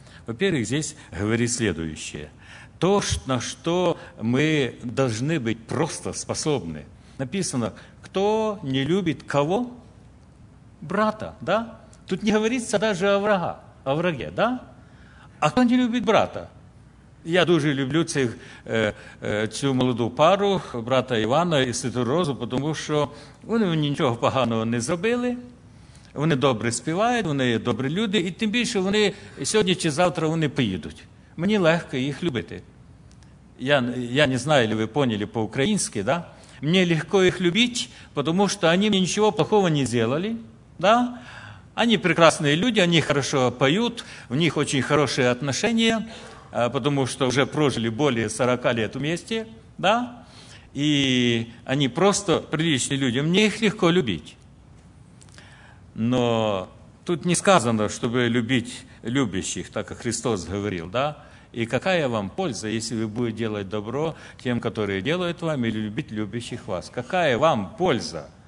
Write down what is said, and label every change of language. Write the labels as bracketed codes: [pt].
[ru] Во-первых, здесь говорит следующее. То, на что мы должны быть просто способны. Написано, кто не любит кого? Брата, да? Тут не говорится даже о врага, о враге, да? А кто не любит брата? [uk] Я дуже люблю цю молоду пару, брата Івана і Святу Розу, тому що вони нічого поганого не зробили, вони добре співають, вони є добрі люди, і тим більше вони сьогодні чи завтра вони поїдуть. Мені легко їх любити. Я не знаю, чи ви поняли по-українськи, да? Мені легко їх любити, тому що вони мені нічого плохого не зробили, да? Вони прекрасні люди, вони хорошо поють, в них дуже хороші відносини, [ru] потому что уже прожили более 40 лет вместе, да, и они просто приличные люди, мне их легко любить. Но тут не сказано, чтобы любить любящих, так как Христос говорил, да, и какая вам польза, если вы будете делать добро тем, которые делают вам, или любить любящих вас, какая вам польза?